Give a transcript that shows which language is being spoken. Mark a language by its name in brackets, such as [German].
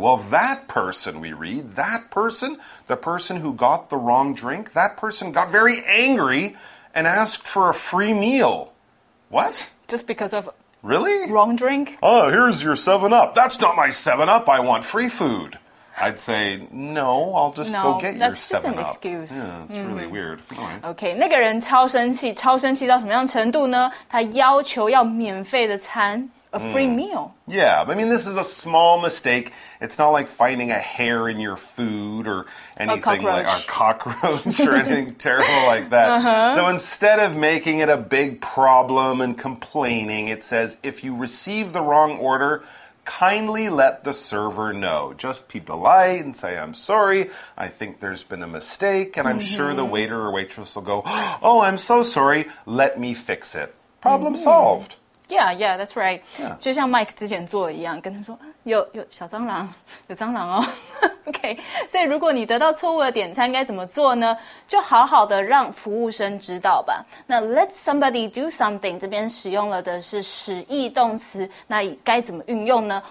[English] Well, the person who got the wrong drink, that person got very angry and asked for a free meal. What? Just because of... Really? Wrong drink? Oh, here's your 7-Up. That's not my 7-Up. I want free food. I'd say, no, I'll just go get your 7-Up. That's just an excuse. Yeah, it's really weird. Right. [Chinese] Okay, 那个人超生气，超生气到什么样程度呢？他要求要免费的餐。 [English] A free meal. Yeah, I mean, this is a small mistake. It's not like finding a hair in your food or anything like a cockroach or anything terrible like that. So instead of making it a big problem and complaining, it says, if you receive the wrong order, kindly let the server know. Just be polite and say, I'm sorry, I think there's been a mistake, and I'm sure the waiter or waitress will go, oh, I'm so sorry, let me fix it. Problem solved. Yeah, that's right. Yeah. [Chinese] 就像 Mike 之前做的一样，跟他说有小蟑螂，有蟑螂哦。 OK， 所以如果你得到错误的点餐，该怎么做呢？就好好的让服务生知道吧。那 [English] let somebody do something [Chinese] 这边使用了的是使役动词，那该怎么运用呢？